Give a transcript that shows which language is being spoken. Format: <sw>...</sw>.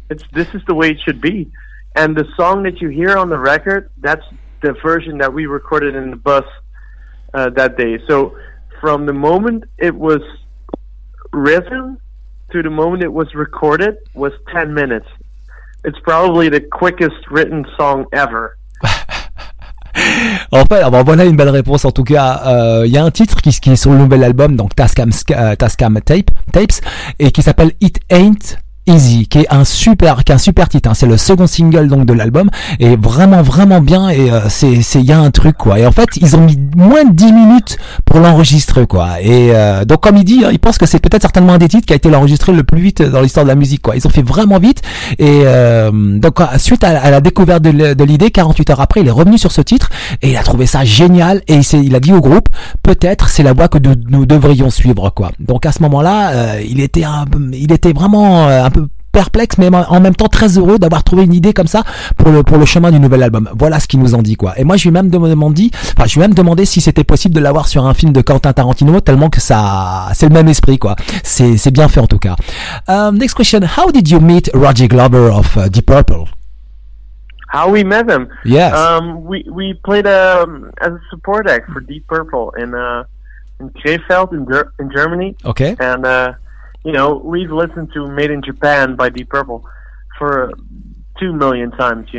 <en>This is the way it should be." And the song that you hear on the record, that's the version that we recorded in the bus that day. So from the moment it was written to the moment it was recorded was 10 minutes. It's probably the quickest written song ever.</en> <fr>En fait, alors voilà une belle réponse. En tout cas, il y a un titre qui est sur le nouvel album, donc Tascam Tapes, et qui s'appelle It Ain't Easy, qui est un super titre, hein. C'est le second single donc de l'album, et vraiment vraiment bien, et c'est y a un truc, quoi. Et en fait, ils ont mis moins de 10 minutes pour l'enregistrer, quoi. Et donc comme il dit, hein, il pense que c'est peut-être certainement un des titres qui a été enregistré le plus vite dans l'histoire de la musique, quoi. Ils ont fait vraiment vite, et donc suite à la découverte de l'idée, 48 heures après, il est revenu sur ce titre et il a trouvé ça génial, et il a dit au groupe, peut-être c'est la voie que nous devrions suivre, quoi. Donc à ce moment-là, il était vraiment un peu perplexe, mais en même temps très heureux d'avoir trouvé une idée comme ça pour le chemin du nouvel album. Voilà ce qu'il nous en dit, quoi. Et moi, je lui ai même demandé si c'était possible de l'avoir sur un film de Quentin Tarantino, tellement que ça, c'est le même esprit, quoi. C'est bien fait, en tout cas.</fr> <en>Next question. How did you meet Roger Glover of Deep Purple? How we met him? Yes. We played as a support act for Deep Purple in Krefeld in Germany. Okay. And you know, we've listened to Made in Japan by Deep Purple for 2 million times.</en>